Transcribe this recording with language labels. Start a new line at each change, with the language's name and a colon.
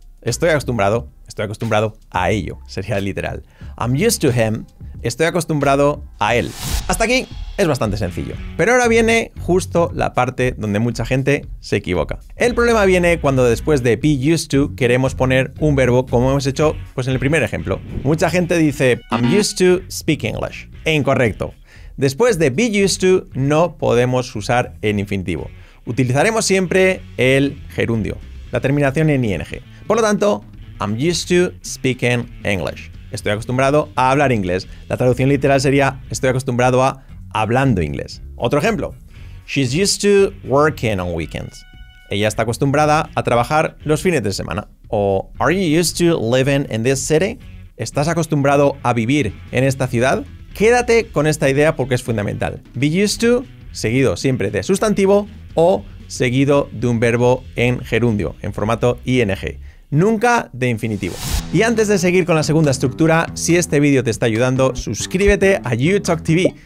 Spanish: Estoy acostumbrado a ello. Sería literal.
English: I'm used to him.
Spanish: Estoy acostumbrado a él. Hasta aquí es bastante sencillo. Pero ahora viene justo la parte donde mucha gente se equivoca. El problema viene cuando después de be used to queremos poner un verbo como hemos hecho pues en el primer ejemplo. Mucha gente dice
English: I'm used to speak English.
Spanish: E incorrecto. Después de be used to no podemos usar el infinitivo. Utilizaremos siempre el gerundio, la terminación en ing. Por lo tanto,
English: I'm used to speaking English.
Spanish: Estoy acostumbrado a hablar inglés. La traducción literal sería estoy acostumbrado a hablando inglés. Otro ejemplo.
English: She's used to working on weekends.
Spanish: Ella está acostumbrada a trabajar los fines de semana.
English: O are you used to living in this city?
Spanish: ¿Estás acostumbrado a vivir en esta ciudad? Quédate con esta idea porque es fundamental. Be used to, seguido siempre de sustantivo, o seguido de un verbo en gerundio, en formato ing. Nunca de infinitivo. Y antes de seguir con la segunda estructura, si este vídeo te está ayudando, suscríbete a YouTalkTV.